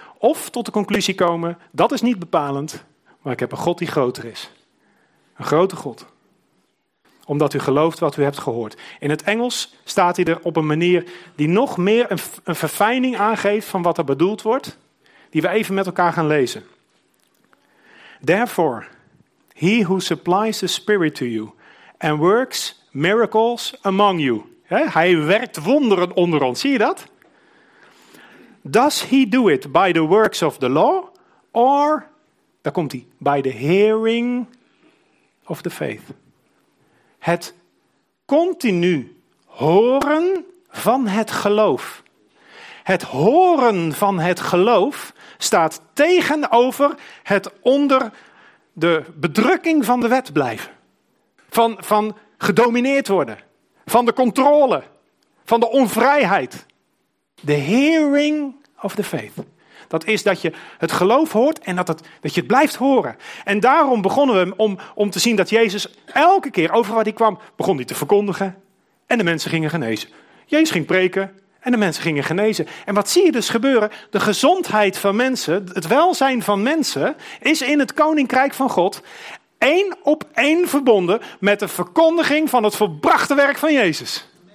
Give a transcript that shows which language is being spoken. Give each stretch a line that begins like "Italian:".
Dutch: Of tot de conclusie komen, dat is niet bepalend, maar ik heb een God die groter is. Een grote God. Omdat u gelooft wat u hebt gehoord. In het Engels staat hij er op een manier die nog meer een verfijning aangeeft van wat er bedoeld wordt. Die we even met elkaar gaan lezen.
English: Therefore, he who supplies the Spirit to you and works miracles among you.
Dutch: He, hij werkt wonderen onder ons, zie je dat?
English: Does he do it by the works of the law or,
Dutch: daar komt hij,
English: by the hearing of the faith?
Dutch: Het continu horen van het geloof. Het horen van het geloof staat tegenover het onder de bedrukking van de wet blijven. Van gedomineerd worden. Van de controle. Van de onvrijheid.
English: The hearing of the faith.
Dutch: Dat is dat je het geloof hoort en dat je het blijft horen. En daarom begonnen we om te zien dat Jezus elke keer over wat hij kwam, begon hij te verkondigen en de mensen gingen genezen. Jezus ging preken. En de mensen gingen genezen. En wat zie je dus gebeuren? De gezondheid van mensen, het welzijn van mensen, is in het Koninkrijk van God één op één verbonden met de verkondiging van het volbrachte werk van Jezus.